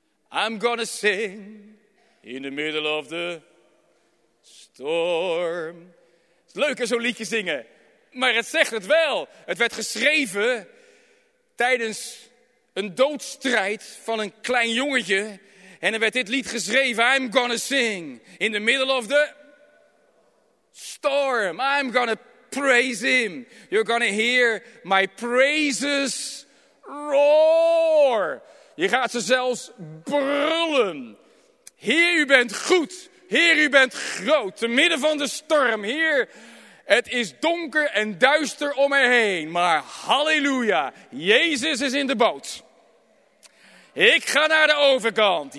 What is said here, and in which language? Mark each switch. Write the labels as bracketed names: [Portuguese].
[English] I'm gonna sing in the middle of the storm. [Dutch] Het is leuk om zo'n liedje zingen, maar het zegt het wel. Het werd geschreven tijdens een doodsstrijd van een klein jongetje. En er werd dit lied geschreven. [English] I'm gonna sing in the middle of the storm. I'm gonna praise him. You're gonna hear my praises roar. [Dutch] Je gaat ze zelfs brullen. Heer, u bent goed. Heer, u bent groot, te midden van de storm. Heer, het is donker en duister om mij heen. Maar halleluja, Jezus is in de boot. Ik ga naar de overkant.